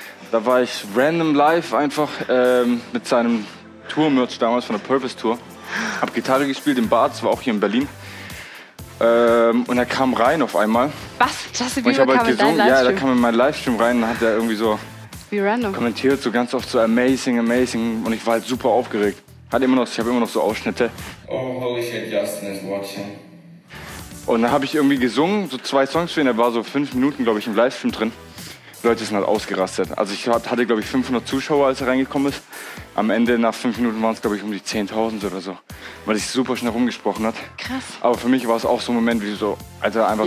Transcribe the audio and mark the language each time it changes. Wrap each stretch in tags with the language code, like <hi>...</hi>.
<de>Da war ich random live einfach mit seinem Tour-Merch damals von der Purpose-Tour. Hab Gitarre gespielt im Bad, das war auch hier in Berlin. Und er kam rein auf einmal. Was? Justin Bieber kam halt in deinen Livestream? Ja, da kam in meinen Livestream rein und hat er irgendwie so kommentiert, so ganz oft so</de> <en>amazing, amazing.</en> <de>Und ich war halt super aufgeregt. Hat immer noch, ich habe immer noch so Ausschnitte.</de> <en>Oh, holy shit, Justin is watching.</en> <de>Und dann habe ich irgendwie gesungen, so zwei Songs für ihn. Er war so 5 Minuten, glaube ich, im Livestream drin. Die Leute sind halt ausgerastet. Also ich hatte, glaube ich, 500 Zuschauer, als er reingekommen ist. Am Ende, nach 5 Minuten, waren es, glaube ich, um die 10.000 oder so. Weil sich super schnell rumgesprochen hat. Krass. Aber für mich war es auch so ein Moment, wie so, also einfach</de>